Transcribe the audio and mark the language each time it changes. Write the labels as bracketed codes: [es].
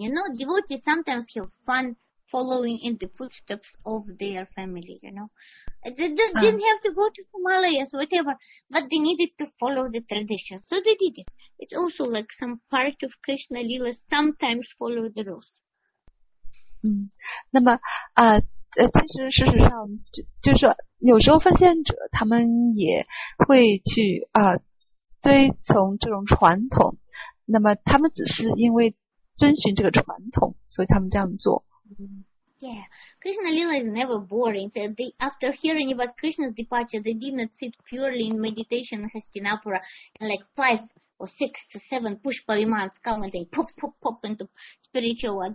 [en] You know, devotees sometimes have fun following in the footsteps of their family, you know. They didn't have to go to Himalayas, whatever, but they needed to follow the tradition. So they did it. It's also like some part of Krishna Lila sometimes follow the rules. [zh] 那么其实事实上就是有时候奉献者他们也会去追从这种传统，那么他们只是因为遵循这个传统所以他们这样做。 [en] Yeah, Krishna Lila is never boring. So they, after hearing about Krishna's departure, they did not sit purely in meditation in Hastinapura. And like 5 or 6 to 7 Pushpavimans come and they pop, pop, pop into spiritual world.